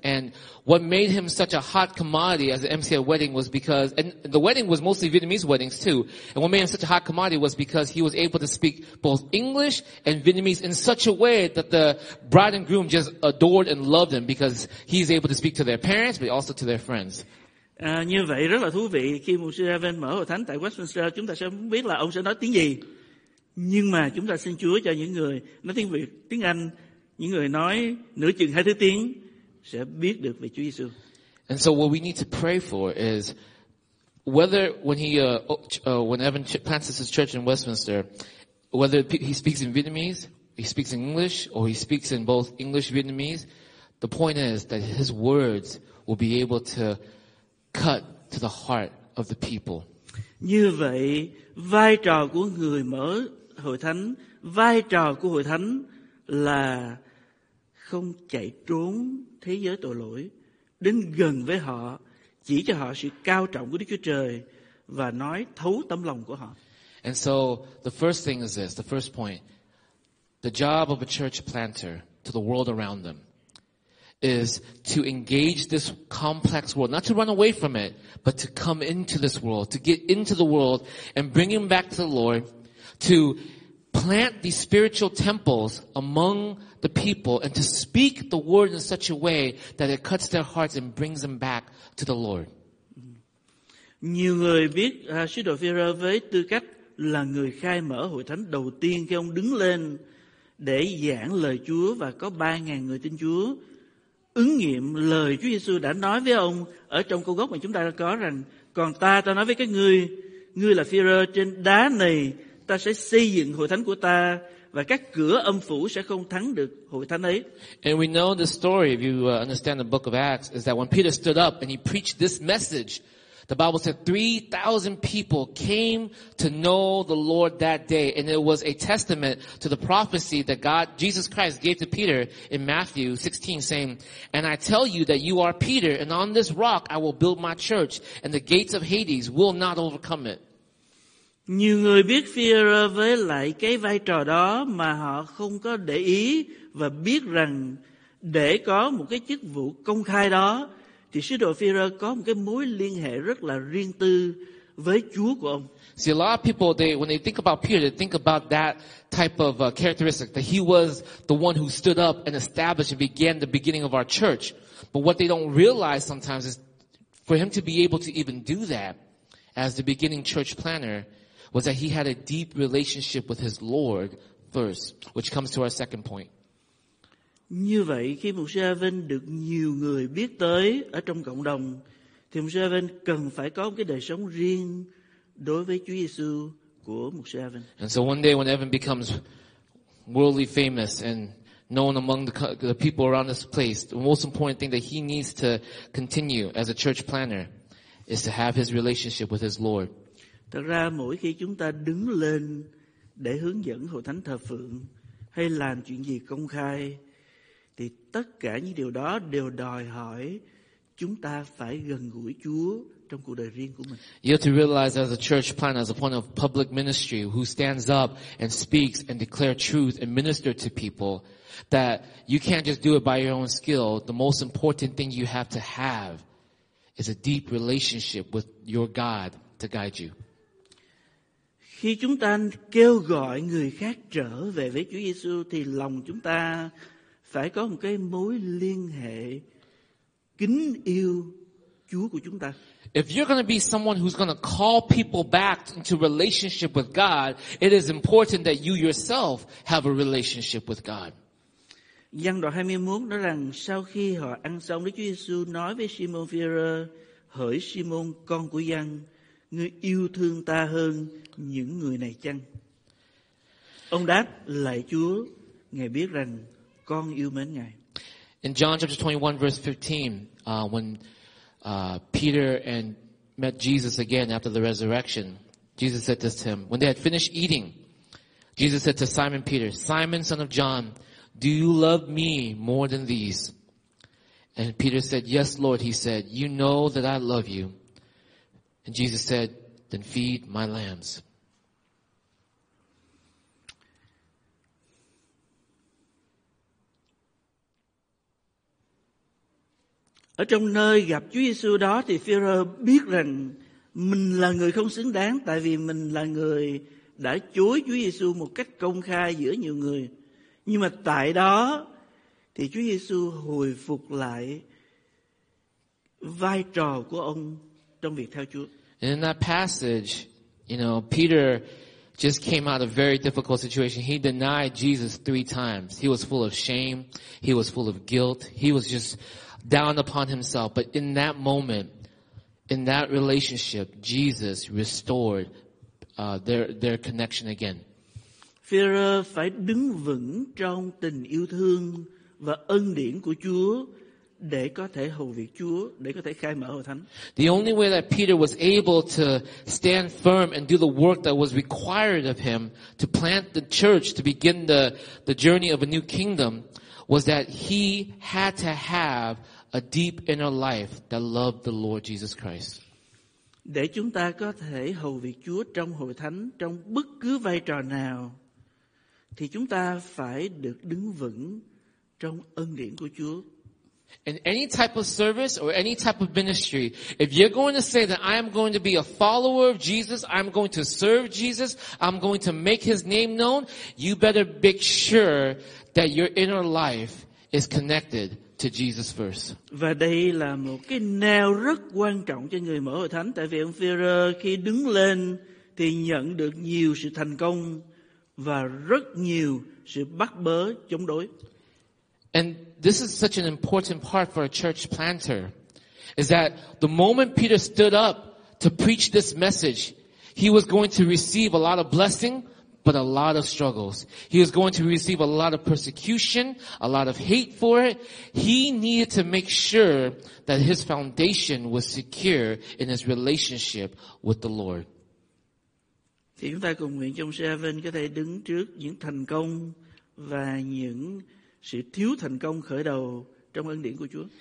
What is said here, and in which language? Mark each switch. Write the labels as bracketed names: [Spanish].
[English] And what made him such a hot commodity as an MC at wedding was because, and the wedding was mostly Vietnamese weddings too, and what made him such a hot commodity was because he was able to speak both English and Vietnamese in such a way that the bride and groom just adored and loved him because he's able to speak to their parents, but also to their friends. [Vietnamese] Như vậy rất là thú vị khi mục sư Evan mở hội thánh tại Westminster, chúng ta sẽ không biết là ông sẽ nói tiếng gì, nhưng mà chúng ta xin Chúa cho những người nói tiếng Việt, tiếng Anh, những người nói nửa chừng hai thứ tiếng sẽ biết được về Chúa Giêsu. [English] And so what we need to pray for is whether when he when Evan plants his church in Westminster, whether he speaks in Vietnamese, he speaks in English, or he speaks in both English Vietnamese, the point is that his words will be able to cut to the heart of the people. [Vietnamese] Như vậy, vai trò của người mở hội thánh, vai trò của hội thánh là không chạy trốn thế giới tội lỗi, đến gần với họ, chỉ cho họ sự cao trọng của Đức Chúa Trời và nói thấu tâm lòng của họ. [English] And so, the first thing is this, the first point, the job of a church planter to the world around them is to engage this complex world, not to run away from it, but to come into this world, to get into the world and bring him back to the Lord, to plant these spiritual temples among the people and to speak the word in such a way that it cuts their hearts and brings them back to the Lord. [Vietnamese] Nhiều người biết sứ đồ Phêrô với tư cách là người khai mở hội thánh đầu tiên khi ông đứng lên để giảng lời Chúa và có 3,000 người tin Chúa. Ứng nghiệm lời Chúa Giêsu đã nói với ông ở trong câu gốc mà chúng ta đã có rằng: "Còn ta nói với các ngươi, ngươi là Phêrô, trên đá này ta sẽ xây dựng hội thánh của ta và các cửa âm phủ sẽ không thắng được hội thánh ấy." [English] And we know the story, if you understand the book of Acts, is that when Peter stood up and he preached this message, the Bible said 3,000 people came to know the Lord that day, and it was a testament to the prophecy that God, Jesus Christ, gave to Peter in Matthew 16, saying, "And I tell you that you are Peter, and on this rock I will build my church, and the gates of Hades will not overcome it." [Vietnamese] Nhiều người biết Phêrô với lại cái vai trò đó mà họ không có để ý và biết rằng để có một cái chức vụ công khai đó, thì sứ đồ Phi-rơ có một cái mối liên hệ rất là riêng tư với Chúa của ông. [English] See, a lot of people, they, when they think about Peter, they think about that type of characteristic, that he was the one who stood up and established and began the beginning of our church. But what they don't realize sometimes is for him to be able to even do that as the beginning church planner was that he had a deep relationship with his Lord first, which comes to our second point. [Vietnamese] Như vậy, khi mục sư Evan được nhiều người biết tới ở trong cộng đồng, thì mục sư Evan cần phải có một cái đời sống riêng đối với Chúa Giêsu của mục sư Evan. [English] And so one day when Evan becomes worldly famous and known among the people around this place, the most important thing that he needs to continue as a church planner is to have his relationship with his Lord. [Vietnamese] Thật ra mỗi khi chúng ta đứng lên để hướng dẫn hội thánh thờ phượng hay làm chuyện gì công khai, thì tất cả những điều đó đều đòi hỏi chúng ta phải gần gũi Chúa trong cuộc đời riêng của mình. [English] You have to realize as a church planner, as a point of public ministry, who stands up and speaks and declare truth and minister to people, that you can't just do it by your own skill. The most important thing you have is a deep relationship with your God to guide you. [Vietnamese] Khi chúng ta kêu gọi người khác trở về với Chúa Giêsu, thì lòng chúng ta phải có một cái mối liên hệ kính yêu Chúa của chúng ta. [English] If you're going to be someone who's going to call people back into relationship with God, it is important that you yourself have a relationship with God. [Vietnamese] Giăng đoạn 21 nói rằng sau khi họ ăn xong, Đức Chúa Giêsu nói với Simon Phi-rơ: "Hỡi Simon, con của Giăng, ngươi yêu thương ta hơn những người này chăng?" Ông đáp: "Lạy Chúa, Ngài biết rằng con yêu mến Ngài." [English] In John chapter 21 verse 15, when Peter and met Jesus again after the resurrection, Jesus said this to him. When they had finished eating, Jesus said to Simon Peter, "Simon, son of John, do you love me more than these?" And Peter said, "Yes, Lord," he said, "you know that I love you." And Jesus said, "Then feed my lambs." [Vietnamese] Ở trong nơi gặp Chúa Giêsu đó thì Phi-rơ biết rằng mình là người không xứng đáng, tại vì mình là người đã chối Chúa Giêsu một cách công khai giữa nhiều người. Nhưng mà tại đó thì Chúa Giêsu hồi phục lại vai trò của ông trong việc theo Chúa. [English] And in that passage, you know, Peter just came out of a very difficult situation. He denied Jesus 3 times. He was full of shame. He was full of guilt. He was just down upon himself. But in that moment, in that relationship, Jesus restored their connection again. [Vietnamese] Phi-rơ phải đứng vững trong tình yêu thương và ân điển của Chúa để có thể hầu việc Chúa, để có thể khai mở hội thánh. [English] The only way that Peter was able to stand firm and do the work that was required of him to plant the church, to begin the journey of a new kingdom, was that he had to have a deep inner life that loved the Lord Jesus Christ. [Vietnamese] Để chúng ta có thể hầu việc Chúa trong hội thánh, trong bất cứ vai trò nào, thì chúng ta phải được đứng vững trong ân điển của Chúa. [English] In any type of service or any type of ministry, if you're going to say that I am going to be a follower of Jesus, I'm going to serve Jesus, I'm going to make his name known, you better make sure that your inner life is connected to Jesus first. [Vietnamese] Và đây là một cái nail rất quan trọng cho người mở hội thánh, tại vì ông Phi-rơ khi đứng lên thì nhận được nhiều sự thành công và rất nhiều sự bắt bớ chống đối. [English] And this is such an important part for a church planter, is that the moment Peter stood up to preach this message, he was going to receive a lot of blessing, but a lot of struggles. He was going to receive a lot of persecution, a lot of hate for it. He needed to make sure that his foundation was secure in his relationship with the Lord. [Vietnamese] Thì chúng ta cùng nguyện cho ông Seven có thể đứng trước những thành công và những sự thiếu thành công khởi đầu trong ân điển của Chúa.